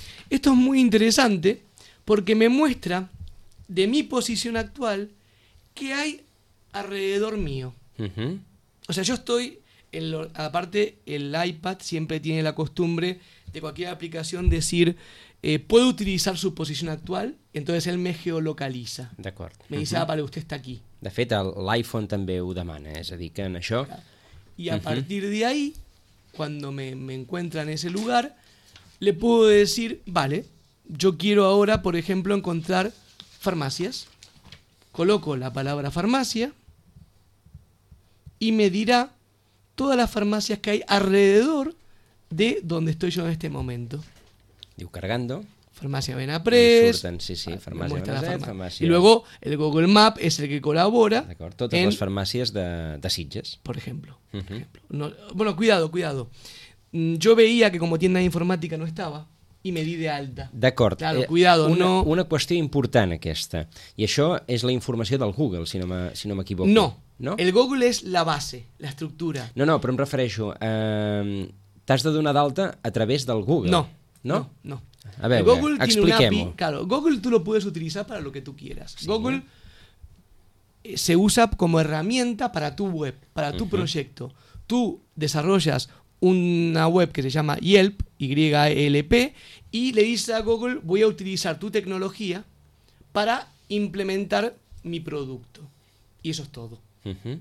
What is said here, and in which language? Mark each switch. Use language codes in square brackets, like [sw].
[es] Esto es muy interesante porque me muestra, de mi posición actual, qué hay alrededor mío. O sea, yo estoy... aparte, el iPad siempre tiene la costumbre de cualquier aplicación decir, puedo utilizar su posición actual, entonces él me geolocaliza. [ca] D'acord. [es] Me dice, vale, usted está aquí. [ca] De fet, l'iPhone també ho demana, és a dir, que en això... [es] I a partir de ahí, cuando me encuentra en ese lugar, le puedo decir, vale, yo quiero ahora, por ejemplo, encontrar farmacias. Coloco la palabra farmacia y me dirá todas las farmacias que hay alrededor de donde estoy yo en este momento. Digo, cargando. Farmacia Benaprés. [ca] Surten, sí, sí, farmàcia Benaprés, farmàcia. I luego el Google Map és el que col·labora. D'acord, totes en... les farmàcies de Sitges. [es] Por ejemplo. Uh-huh. No, bueno, cuidado, cuidado. Yo veía que como tienda informática no estaba y me di de alta. [ca] D'acord. [es] Claro, cuidado, una, no... [ca] Una qüestió important aquesta. I això és la informació del Google, si no, me, si no m'equivoco. No. No, el Google és la base, la estructura. No, no, però em refereixo... T'has de donar d'alta a través del Google. No. No? No. [es] A veure, Google tiene una API, claro, Google tú lo puedes utilizar para lo que tú quieras. Sí. Google se usa como herramienta para tu web, para tu uh-huh. proyecto. Tú desarrollas una web que se llama Yelp, Y-E-L-P, y le dices a Google, voy a utilizar tu tecnología para implementar mi producto. Y eso es todo. Uh-huh.